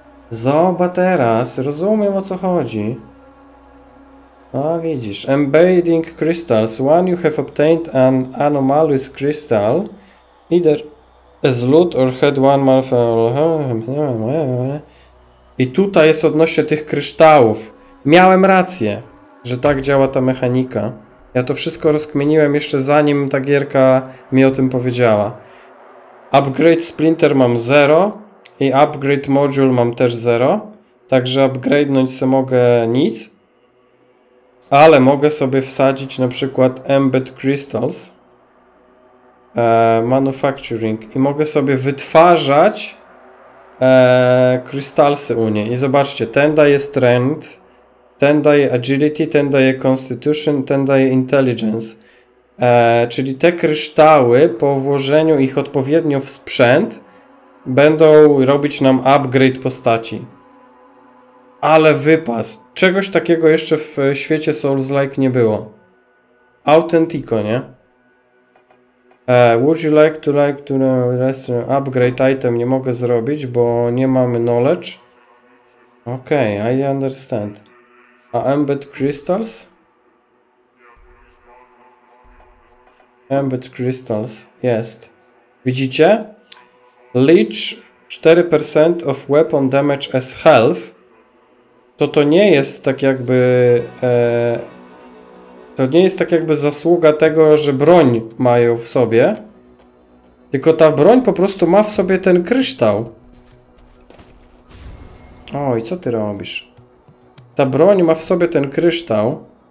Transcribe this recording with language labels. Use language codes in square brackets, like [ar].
[pl] Zobacz teraz, rozumiem, o co chodzi. A, widzisz. Embedding crystals. [en] When you have obtained an anomalous crystal, either as loot or had one malfunction. [pl] I tutaj jest odnośnie tych kryształów. Miałem rację, że tak działa ta mechanika. Ja to wszystko rozkminiłem jeszcze zanim ta gierka mi o tym powiedziała. Upgrade splinter mam 0 i upgrade module mam też 0. Także upgrade'nąć sobie mogę nic. Ale mogę sobie wsadzić na przykład embed crystals. Manufacturing. I mogę sobie wytwarzać krystalsy u niej. I zobaczcie, ten daje strength, ten daje agility, ten daje constitution, ten daje intelligence. Czyli te kryształy, po włożeniu ich odpowiednio w sprzęt, będą robić nam upgrade postaci. Ale wypas. Czegoś takiego jeszcze w świecie Souls-like nie było. Autentico, nie? [en] Would you like to rest upgrade item? [pl] Nie mogę zrobić, bo nie mamy knowledge. [en] Okej, okay, I understand. A embed crystals? [pl] Embed crystals, jest. Widzicie? [en] Leech 4% of weapon damage as health. [pl] To nie jest tak jakby... To nie jest tak jakby zasługa tego, że broń mają w sobie. Tylko ta broń po prostu ma w sobie ten kryształ. Oj, co ty robisz? Ta broń ma w sobie ten kryształ.